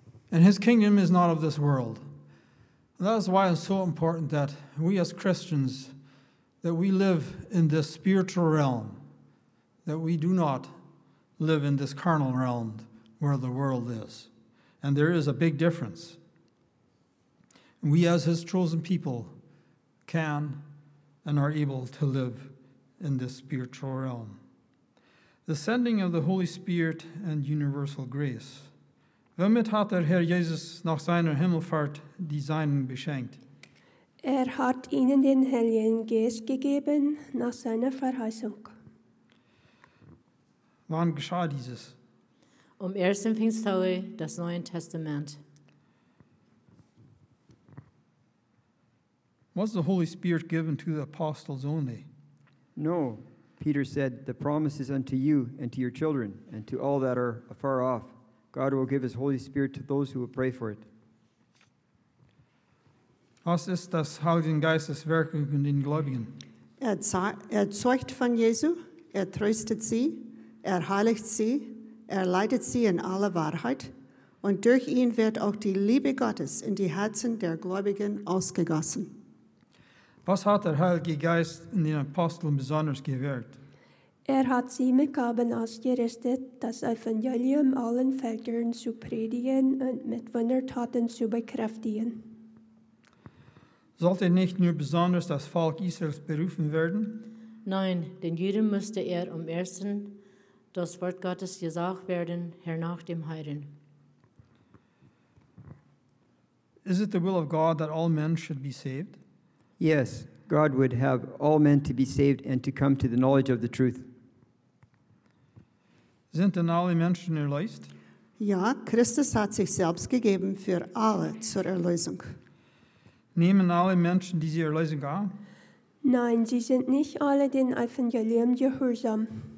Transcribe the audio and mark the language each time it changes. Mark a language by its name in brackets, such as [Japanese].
[English] And his kingdom is not of this world. And that is why it's so important that we as Christians, that we live in this spiritual realm, that we do not live in this carnal realm where the world is. And there is a big difference. We as his chosen people can and are able to live in this spiritual realm. The sending of the Holy Spirit and universal grace. [German] Womit hat Herr Jesus nach seiner Himmelfahrt die Seinen beschenkt? Hat ihnen den Heiligen Geist gegeben nach seiner Verheißung. Wann geschah dieses? Ersten Pfingsttage des Neuen Testaments. [English] Was the Holy Spirit given to the apostles only? No, Peter said, "The promise is unto you and to your children and to all that are afar off. God will give his Holy Spirit to those who will pray for it." [German] Was ist das Heiligen Geistes Werk in den Gläubigen? Zeugt von Jesu, tröstet sie, heiligt sie, leitet sie in alle Wahrheit, und durch ihn wird auch die Liebe Gottes in die Herzen der Gläubigen ausgegossen. Was hat Heilige Geist in den Aposteln besonders gewirkt? hat sie mit Gaben ausgerüstet, das Evangelium allen Völkern zu predigen und mit Wundertaten zu bekräftigen. Sollte nicht nur besonders das Volk Israels berufen werden? Nein, den Juden musste am ersten das Wort Gottes gesagt werden, hernach dem Heiden. [English] Is it the will of God that all men should be saved? Yes, God would have all men to be saved and to come to the knowledge of the truth. [German] Sind denn alle Menschen erlöst? Ja, Christus hat sich selbst gegeben für alle zur Erlösung. Nehmen alle Menschen diese Erlösung an? Nein, sie sind nicht alle den Evangelium gehorsam.